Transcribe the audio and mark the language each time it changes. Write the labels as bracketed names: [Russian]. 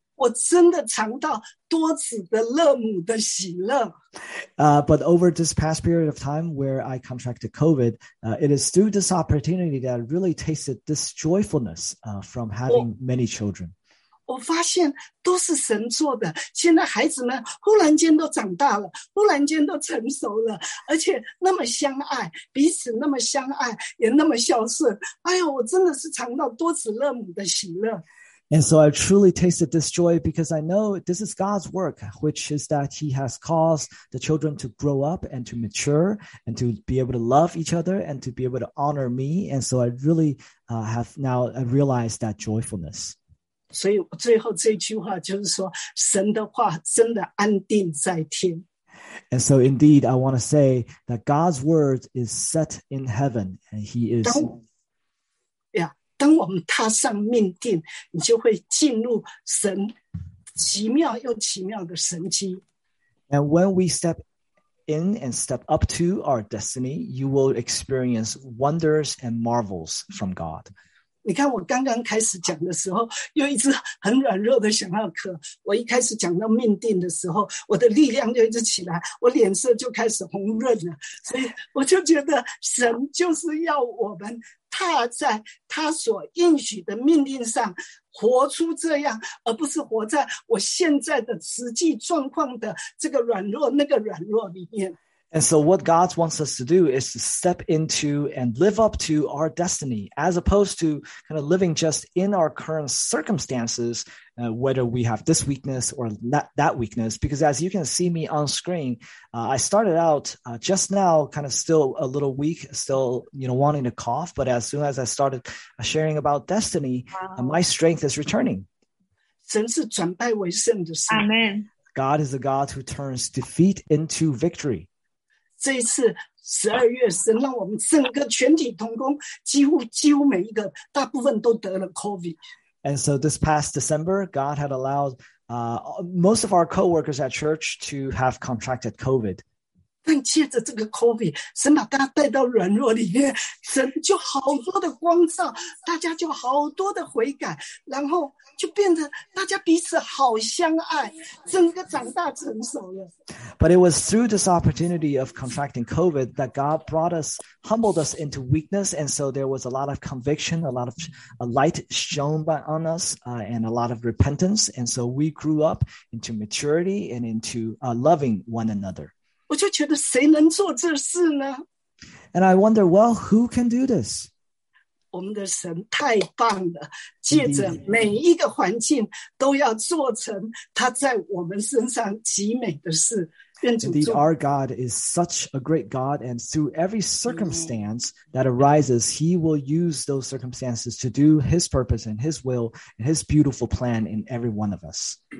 [Chinese] 我真的尝到多子的乐母的喜乐。 [English] But over this past period of time where I contracted COVID, it is through this opportunity that I really tasted this joyfulness from having many children. [Chinese] 我发现都是神做的，现在孩子们忽然间都长大了，忽然间都成熟了，而且那么相爱，彼此那么相爱，也那么孝顺。哎呦，我真的是尝到多子乐母的喜乐。 [English] And so I truly tasted this joy because I know this is God's work, which is that he has caused the children to grow up and to mature and to be able to love each other and to be able to honor me. And so I really have now realized that joyfulness. [Chinese] 所以最后这句话就是说，神的话真的安定在天。 [English] And so indeed, I want to say that God's word is set in heaven and he is... Yeah. [Chinese] 当我们踏上命定，你就会进入神奇妙又奇妙的神迹。 [English] And when we step in and step up to our destiny, you will experience wonders and marvels from God. [Chinese] 你看我刚刚开始讲的时候，又一直很软弱的想要咳。我一开始讲到命定的时候，我的力量就一直起来，我脸色就开始红润了。所以我就觉得神就是要我们踏在他所应许的命令上活出这样，而不是活在我现在的实际状况的这个软弱那个软弱里面。 [English] And so what God wants us to do is to step into and live up to our destiny as opposed to kind of living just in our current circumstances, whether we have this weakness or that weakness, because as you can see me on screen, I started out just now kind of still a little weak, still, you know, wanting to cough. But as soon as I started sharing about destiny, my strength is returning. [Chinese] 神是转败为胜的神。 Amen. [English] God is a God who turns defeat into victory. [Chinese] 这一次12月神让我们整个全体同工几乎每一个大部分都得了 COVID。 [English] And so this past December, God had allowed most of our co-workers at church to have contracted COVID. [Chinese] 但借着这个 COVID, 神把大家带到软弱里面，神就好多的光照，大家就好多的悔改，然后就变得大家彼此好相爱，整个长大成熟了。 [English] But it was through this opportunity of contracting COVID that God brought us, humbled us into weakness, and so there was a lot of conviction, a lot of a light shone by on us, and a lot of repentance, and so we grew up into maturity and into loving one another. [Chinese] 我就觉得谁能做这事呢？ [English] And I wonder, well, who can do this? [Chinese] 我们的神太棒了，借着每一个环境都要做成他在我们身上极美的事。 [English] Indeed, our God is such a great God, and through every circumstance that arises, he will use those circumstances to do his purpose and his will and his beautiful plan in every one of us.